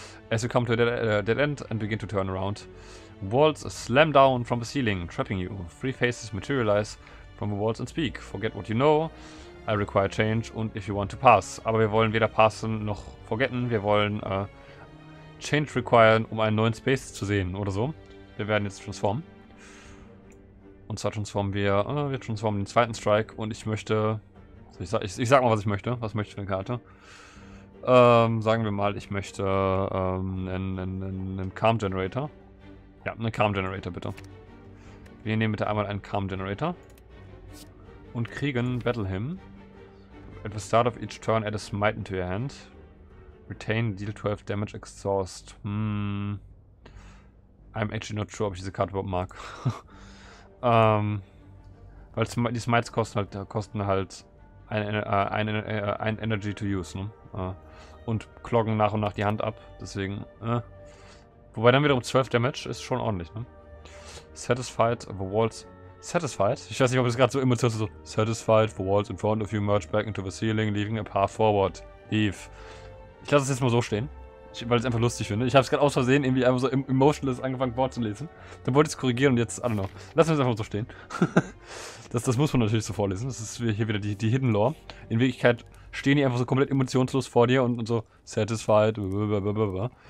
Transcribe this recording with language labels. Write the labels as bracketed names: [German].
[English] As we come to a dead end and begin to turn around, walls slam down from the ceiling, trapping you. Three faces materialize from the walls and speak. Forget what you know. I require change and if you want to pass. [German] Aber wir wollen weder passen noch forgetten. Wir wollen change requiren, um einen neuen Space zu sehen oder so. Wir werden jetzt transformen. Und zwar transformen wir. Wir transformen den zweiten Strike und ich möchte. Ich sag mal, was ich möchte. Was möchte ich für eine Karte? Sagen wir mal, ich möchte einen Calm Generator. Ja, einen Calm Generator, bitte. Wir nehmen bitte einmal einen Calm Generator. Und kriegen Battle Him. [English] At the start of each turn, add a smite into your hand. Retain, deal 12 damage, exhaust. I'm actually not sure, [German] ob ich diese Karte überhaupt mag. weil die Smites kosten halt ein Energy to use, ne? Und kloggen nach und nach die Hand ab. Deswegen, Wobei dann wiederum 12 Damage ist schon ordentlich, ne? [English] Satisfied, the walls. [German] Satisfied? Ich weiß nicht, ob es gerade so emotional so. [English] Satisfied, the walls in front of you merge back into the ceiling, leaving a path forward. [German] Leave. Ich lasse es jetzt mal so stehen. Weil ich es einfach lustig finde. Ich habe es gerade aus Versehen irgendwie einfach so emotionless angefangen, Wort zu lesen. Dann wollte ich es korrigieren und jetzt, [English] I don't know. [German] Lass uns einfach so stehen. das muss man natürlich so vorlesen. Das ist hier wieder die Hidden Lore. In Wirklichkeit stehen die einfach so komplett emotionslos vor dir und so satisfied. Blablabla.